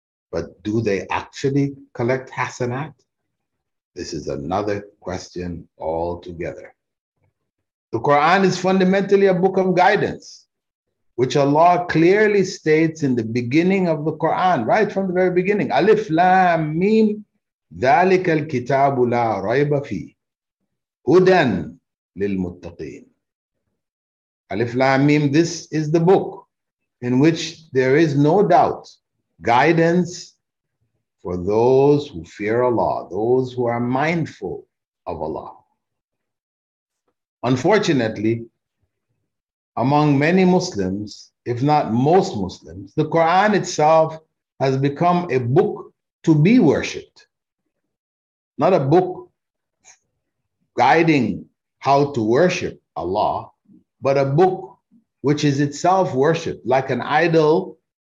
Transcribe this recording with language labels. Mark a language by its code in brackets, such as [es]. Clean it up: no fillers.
[en] But do they actually collect hasanat? This is another question altogether. The Quran is fundamentally a book of guidance, which Allah clearly states in the beginning of the Quran, right from the very beginning. [ar] Alif Lam Mim, ذَلِكَ الْكِتَابُ لَا رَيْبَ فِيهِ هُدًى لِلْمُتَّقِينَ. [en] Alif Lam Mim, this is the book in which there is no doubt, guidance for those who fear Allah, those who are mindful of Allah. Unfortunately, among many Muslims, if not most Muslims, the Quran itself has become a book to be worshipped, not a book guiding how to worship Allah, but a book which is itself worshipped like an idol,